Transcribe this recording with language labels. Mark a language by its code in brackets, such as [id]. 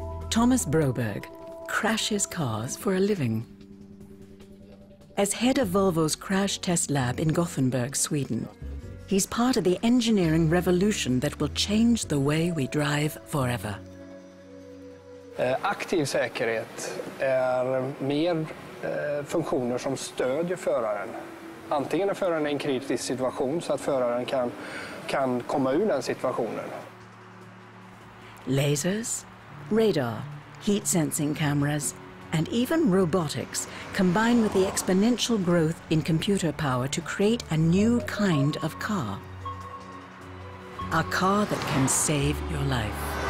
[en] Thomas Broberg crashes cars for a living. As head of Volvo's crash test lab in Gothenburg, Sweden, he's part of the engineering revolution that will change the way we drive forever. [sv] Aktiv säkerhet är mer funktioner som stödjer föraren. Antingen är föraren I en kritisk situation så att föraren kan komma ur den situationen. [en] Lasers, radar, heat sensing cameras and even robotics combine with the exponential growth in computer power to create a new kind of car. A car that can save your life.